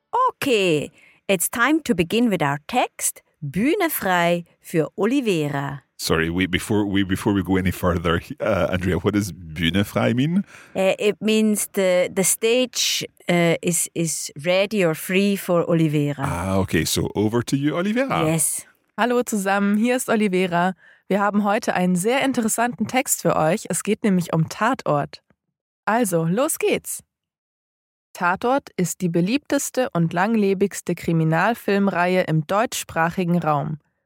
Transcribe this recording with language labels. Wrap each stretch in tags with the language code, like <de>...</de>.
<en>Okay, it's time to begin with our text.</en> <de>Bühne frei für Oliveira.</de> <en>Sorry, before we go any further, Andrea, what does</en> <de>Bühne frei</de> <en>mean? It means the stage is ready or free for Oliveira. Ah, okay, so over to you, Oliveira. Yes.</en> <de>Hallo zusammen, hier ist Oliveira. Wir haben heute einen sehr interessanten Text für euch. Es geht nämlich um Tatort. Also, los geht's. Tatort ist die beliebteste und langlebigste Kriminalfilmreihe im deutschsprachigen Raum.</de>